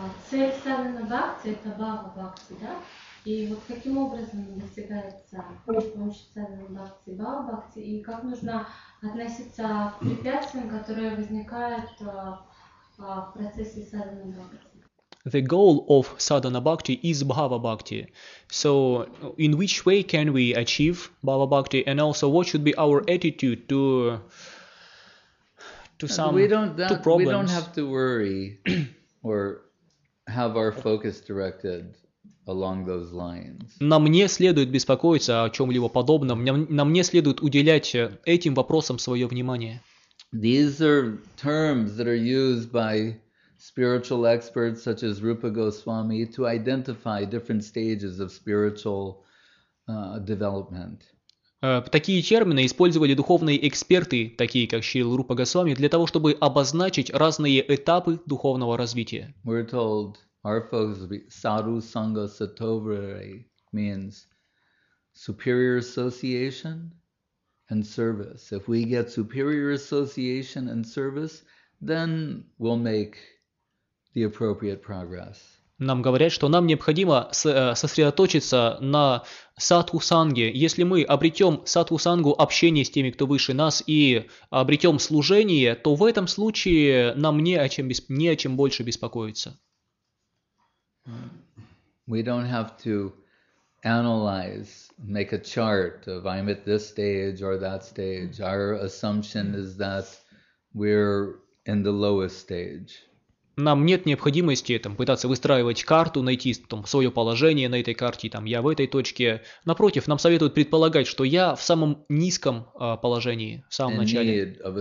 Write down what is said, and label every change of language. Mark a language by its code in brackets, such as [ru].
[ru] Цель саддана бхакти – это бхава бхакти, да? И вот каким образом достигается с помощью саддана бхакти, бхава бхакти, и как нужно относиться к препятствиям, которые возникают в процессе саддана бхакти? [en] The goal of saddana bhakti is bhava bhakti. So, in which way can we achieve bhava bhakti, and also what should be our attitude to problems? We don't have to worry or have our focus directed along those lines. [ru] Нам не следует беспокоиться о чем-либо подобном. Нам не следует уделять этим вопросам свое внимание. [en] These are terms that are used by spiritual experts such as Rupa Goswami to identify different stages of spiritual development. [ru] Такие термины использовали духовные эксперты, такие как Шрила Рупа Госвами, для того, чтобы обозначить разные этапы духовного развития. [en] We're told our focus will be sadhu sangha satovare means superior association and service. If we get superior association and service, then we'll make the appropriate progress. [ru] Нам говорят, что нам необходимо сосредоточиться на садху-санге. Если мы обретем садху-сангу общение с теми, кто выше нас, и обретем служение, то в этом случае нам не о чем больше беспокоиться. [en] We don't have to analyze, make a chart of I'm at this stage or that stage. Our assumption is that we're in the lowest stage. [ru] Нам нет необходимости там, пытаться выстраивать карту, найти там, свое положение на этой карте, там, я в этой точке. Напротив, нам советуют предполагать, что я в самом низком положении, в самом начале.